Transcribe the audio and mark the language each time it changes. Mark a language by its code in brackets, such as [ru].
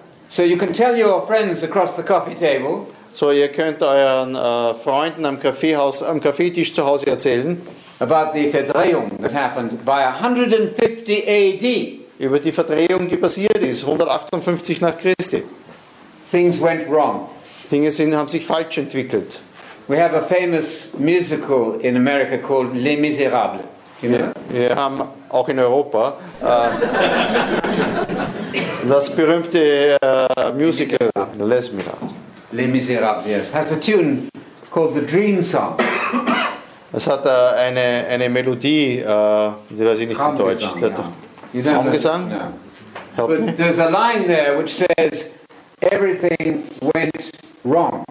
[en] So you can tell your friends across the coffee table. [de] So ihr könnt euren Freunden am Kaffeetisch zu Hause erzählen. [en] About the Verdrehung that happened by 150 AD. [de] Über die Verdrehung, die passiert ist, 158 nach Christi. [en] Things went wrong. [de] Dinge haben sich falsch entwickelt. [en] We have a famous musical in America called Les Misérables. [de] Wir haben auch in Europa das berühmte Musical Les Misérables. [en] Les Misérables, yes. Has a tune called The Dream Song. [de] Es hat eine Melodie, die weiß ich nicht in Deutsch. Traumgesang? [en] Help me. But there's a line there which says everything went wrong.